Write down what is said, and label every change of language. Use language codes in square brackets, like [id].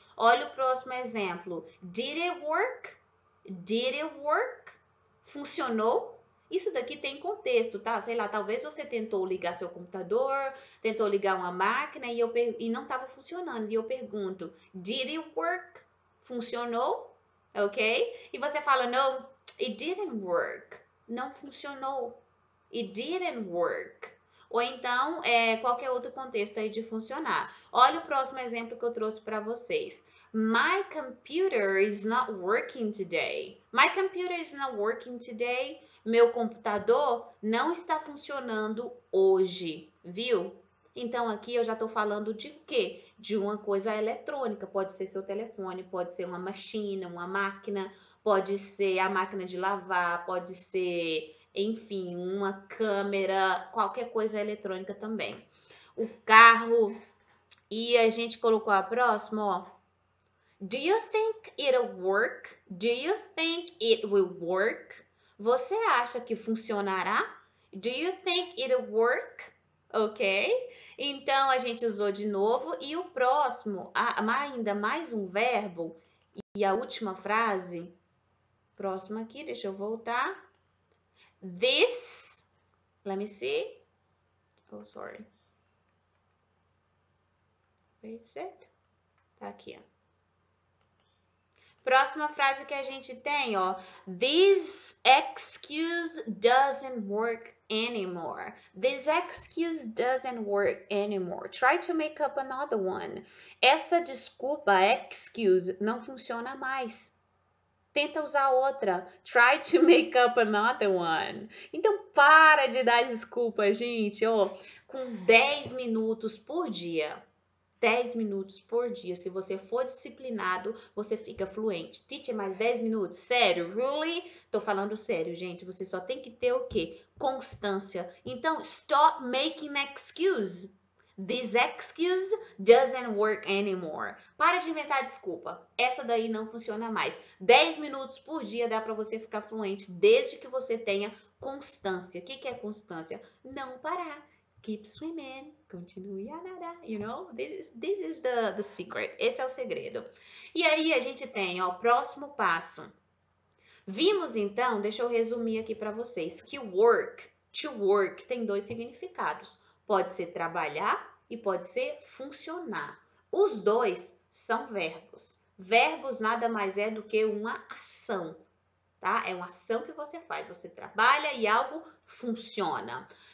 [pt] Olha o próximo exemplo. [en] Did it work? Did it work? [pt] Funcionou? Isso daqui tem contexto, tá? Sei lá, talvez você tentou ligar seu computador, tentou ligar uma máquina e não estava funcionando. E eu pergunto: [en] Did it work? [pt] Funcionou? Ok? E você fala: [en] No, it didn't work. [pt] Não funcionou. [en] It didn't work. [pt] Ou então, qualquer outro contexto aí de funcionar. Olha o próximo exemplo que eu trouxe para vocês. [en] My computer is not working today. My computer is not working today. [pt] Meu computador não está funcionando hoje, viu? Então aqui eu já estou falando de quê? De uma coisa eletrônica. Pode ser seu telefone, pode ser uma machine, uma máquina, pode ser a máquina de lavar, pode ser, enfim, uma câmera, qualquer coisa eletrônica também. O carro. E a gente colocou a próxima, ó. [en] Do you think it'll work? Do you think it will work? [pt] Você acha que funcionará? [en] Do you think it'll work? [pt] Ok? Então a gente usou de novo. E o próximo, ainda mais um verbo. E a última frase. Próxima aqui, deixa eu voltar. [en] This. Let me see. Oh, sorry. [pt] Where is it? Tá aqui, ó. Próxima frase que a gente tem, ó. [en] This excuse doesn't work anymore. This excuse doesn't work anymore. Try to make up another one. [pt] Essa desculpa, excuse, não funciona mais. Tenta usar outra. [en] Try to make up another one. [pt] Então, para de dar desculpa, gente, ó. Com 10 minutos por dia. 10 minutos por dia. Se você for disciplinado, você fica fluente. Teacher, mais 10 minutos? Sério? Really? Tô falando sério, gente. Você só tem que ter o quê? Constância. [en] Então, stop making excuse. This excuse doesn't work anymore. [pt] Para de inventar desculpa. Essa daí não funciona mais. 10 minutos por dia dá para você ficar fluente, desde que você tenha constância. O que que é constância? Não parar. [en] Keep swimming, [pt] continue a nadar, [en] you know? This is the secret. [pt] Esse é o segredo. E aí a gente tem, ó, o próximo passo. Vimos então, deixa eu resumir aqui para vocês, que work, to work, tem dois significados. Pode ser trabalhar e pode ser funcionar. Os dois são verbos. Verbos nada mais é do que uma ação, tá? É uma ação que você faz, você trabalha e algo funciona.